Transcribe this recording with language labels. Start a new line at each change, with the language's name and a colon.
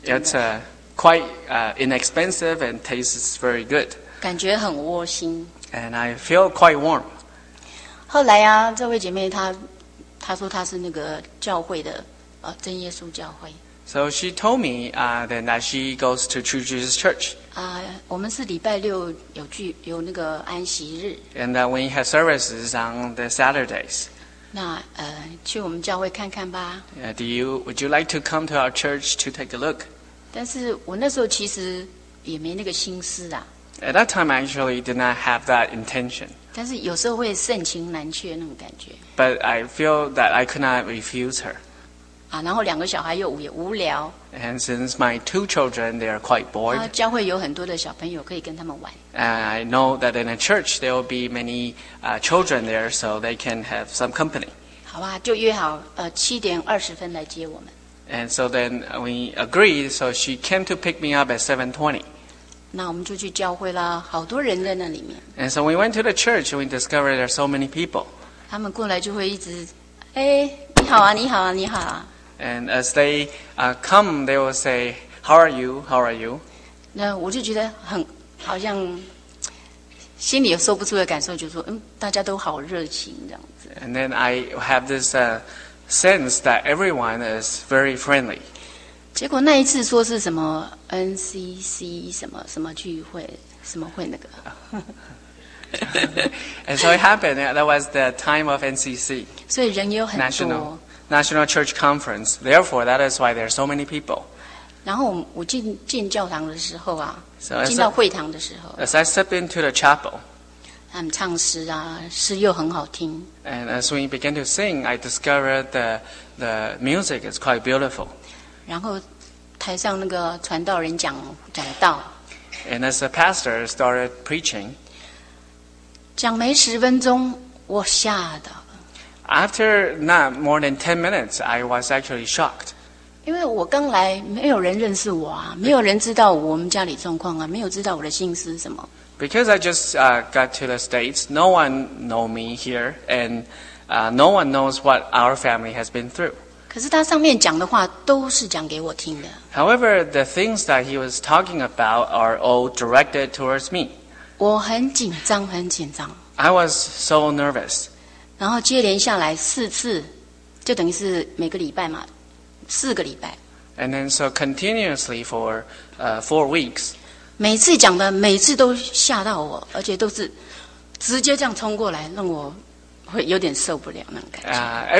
English: It's quite inexpensive and tastes very good.
Chinese: 感觉很窝心。
English: And I feel quite warm.
Chinese: 后来啊，这位姐妹她说她是那个教会的真耶稣教会。
English: So she told me then that she goes to True Jesus Church.
Chinese: 我们是礼拜六有那个安息日。
English: And that we have services on the Saturdays.
Chinese: 那去我们教会看看吧。
English: Would you like to come to our church to take a look?
Chinese: 但是我那时候其实也没那个心思啊。
English: At that time, I actually did not have that intention.
Chinese: 但是有时候会盛情难却那种感觉。
English: But I feel that I could not refuse her.
Chinese: 然后两个小孩又也无聊。
English: And since my two children, they are quite bored.
Chinese: 教会有很多的小朋友可以跟他们玩。
English: And I know that in a church, there will be many children there, so they can have some company.
Chinese: 好吧，就约好7:20来接我们。
English: And so then we agreed, so she came to pick me up at 7:20.
Chinese: 那我们就去教会啦，好多人在那里面。
English: And so we went to the church. We discovered there are so many people.
Chinese: 他们过来就会一直，哎，你好啊，你好啊，你好啊。
English: And as they come, they will say, "How are you? How are you?"
Chinese: 那我就觉得很好像心里有说不出的感受，就说大家都好热情这样子。
English: And then I have this sense that everyone is very friendly.
Chinese: 结果那一次说是什么 NCC 什么什么聚会什么会那个
English: ，And so it happened that was the time of NCC.
Chinese: 所以人也有很多
English: National Church Conference. Therefore, that is why there are so many people.
Chinese: 然后我进教堂的时候啊，进到会堂的时候
English: ，As I step into the chapel,
Chinese: 他们唱诗啊，诗又很好听。
English: And as we began to sing, I discovered the music is quite beautiful.
Chinese: 然后台上那个传道人讲道
English: ，and as the pastor started preaching，
Chinese: 讲没十分钟，我吓到了。
English: After not more than 10 minutes, I was actually shocked。
Chinese: 因为我刚来，没有人认识我啊，没有人知道我们家里状况啊，没有知道我的心思什么。
English: Because I just got to the States, no one know me here, and no one knows what our family has been through.
Chinese: 可是他上面讲的话都是讲给我听的。
English: However, the things that he was talking about are all directed towards me.
Chinese: 我很紧张，很紧张。
English: I was so nervous.
Chinese: 然后接连下来四次，就等于是每个礼拜嘛，四个礼拜。
English: And then so continuously for 4 weeks.
Chinese: 每次讲的，每次都吓到我，而且都是直接这样冲过来，让我。会有点受不了那种感觉。